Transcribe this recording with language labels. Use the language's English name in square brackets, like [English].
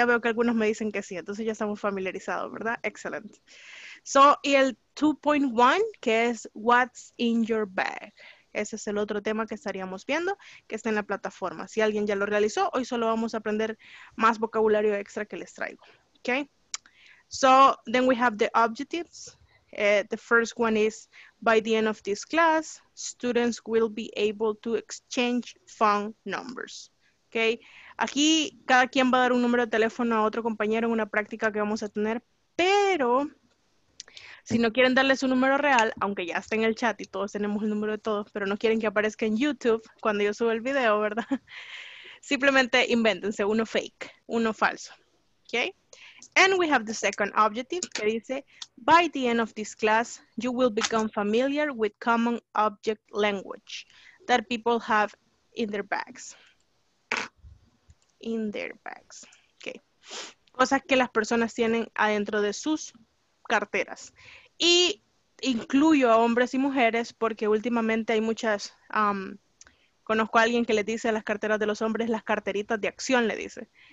[Spanish] Ya veo que algunos me dicen que sí, entonces ya estamos familiarizados, ¿verdad? [English] Excellent. So, [Spanish] y el 2.1, que es [English] what's in your bag. [Spanish] Ese es el otro tema que estaríamos viendo, que está en la plataforma. Si alguien ya lo realizó, hoy solo vamos a aprender más vocabulario extra que les traigo. [English] ¿Ok? So, then we have the objectives. The first one is, by the end of this class, students will be able to exchange phone numbers. ¿Ok? [Spanish] Aquí, cada quien va a dar un número de teléfono a otro compañero en una práctica que vamos a tener, pero si no quieren darle su número real, aunque ya está en el chat y todos tenemos el número de todos, pero no quieren que aparezca en YouTube cuando yo subo el video, ¿verdad? Simplemente invéntense uno fake, uno falso. ¿Ok? [English] And we have the second objective, [Spanish] que dice, [English] by the end of this class, you will become familiar with common object language that people have in their bags. In their bags. Ok. [Spanish] Cosas que las personas tienen adentro de sus carteras. Y incluyo a hombres y mujeres porque últimamente hay muchas, conozco a alguien que le dice a las carteras de los hombres, las carteritas de acción, le dice.